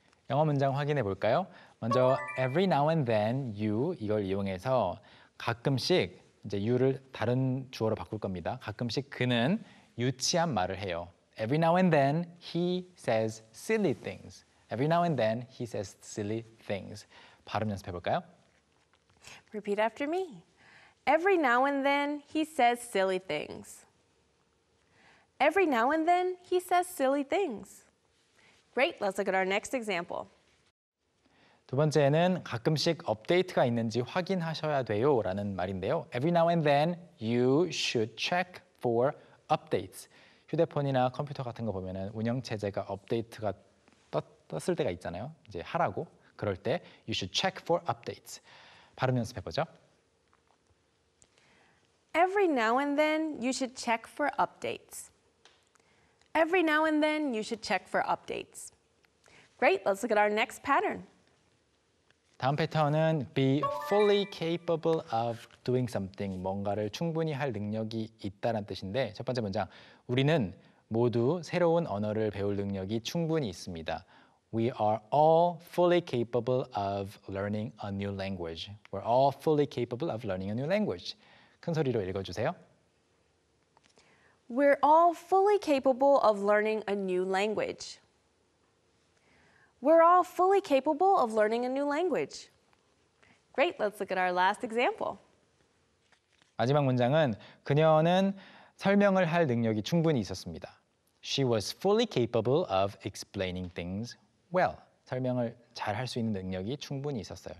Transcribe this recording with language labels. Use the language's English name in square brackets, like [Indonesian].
[Korean] 영어 문장 확인해 볼까요? 먼저 [English] every now and then you [Korean] 이걸 이용해서 가끔씩 이제 you를 다른 주어로 바꿀 겁니다. 가끔씩 그는 유치한 말을 해요. [English] Every now and then he says silly things. Every now and then he says silly things. [Korean] 발음 연습해 볼까요? [English] Repeat after me. Every now and then he says silly things. Every now and then he says silly things. Great, let's look at our next example. [Korean] 두 번째는 가끔씩 업데이트가 있는지 확인하셔야 돼요 라는 말인데요. [English] Every now and then you should check for updates. [Korean] 휴대폰이나 컴퓨터 같은 거 보면은 운영체제가 업데이트가 떴을 때가 있잖아요. 이제 하라고 그럴 때 [English] you should check for updates. [Korean] 발음 연습해 보죠. [English] Every now and then you should check for updates. Every now and then, you should check for updates. Great, let's look at our next pattern. [Korean] 다음 패턴은 [English] be fully capable of doing something. [Korean] 뭔가를 충분히 할 능력이 있다는 뜻인데 첫 번째 문장, 우리는 모두 새로운 언어를 배울 능력이 충분히 있습니다. [English] We are all fully capable of learning a new language. We're all fully capable of learning a new language. [Korean] 큰 소리로 읽어주세요. [English] We're all fully capable of learning a new language. We're all fully capable of learning a new language. Great, let's look at our last example. [Korean] 마지막 문장은 그녀는 설명을 할 능력이 충분히 있었습니다. [English] She was fully capable of explaining things well. [Korean] 설명을 잘 할 수 있는 능력이 충분히 있었어요.